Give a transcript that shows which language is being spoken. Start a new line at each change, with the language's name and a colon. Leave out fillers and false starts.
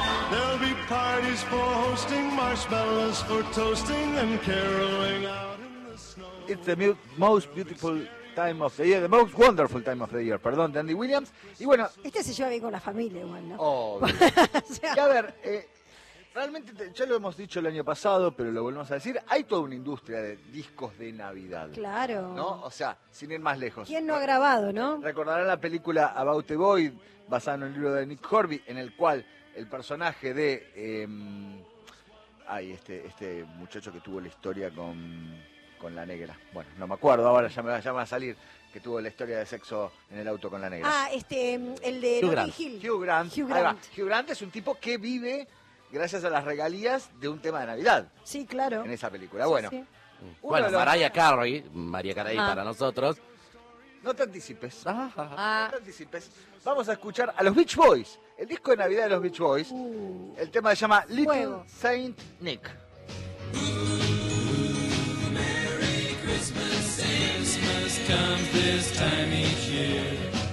English: There'll be parties for hosting, marshmallows for toasting, and caroling out in the snow. It's the most beautiful time of the year, the most wonderful time of the year,
Spanish: perdón, de Andy Williams. Y bueno, este se lleva bien con la familia igual, ¿no? Obvio. Y a ver, realmente, ya lo hemos dicho el año pasado, pero lo volvemos a decir, hay toda una industria de discos de Navidad. Claro. ¿No? O sea, sin ir más lejos. ¿Quién no ha grabado, no? Recordarán la película About a Boy, basada en el libro de Nick Hornby, en el cual el personaje de... este muchacho que tuvo la historia con la negra. Bueno, no me acuerdo, ahora ya me va a salir, que tuvo la historia de sexo en el auto con la negra. Ah, el de Hugh Grant. Hugh Grant es un tipo que vive... gracias a las regalías de un tema de Navidad. Sí, claro. En esa película. Sí, bueno, sí. Bueno, Mariah Carey para nosotros. No te anticipes. No te anticipes. Vamos a escuchar a los Beach Boys. El disco de Navidad de los Beach Boys. El tema se llama Little Saint Nick.
English: Merry Christmas, Christmas comes this time each year.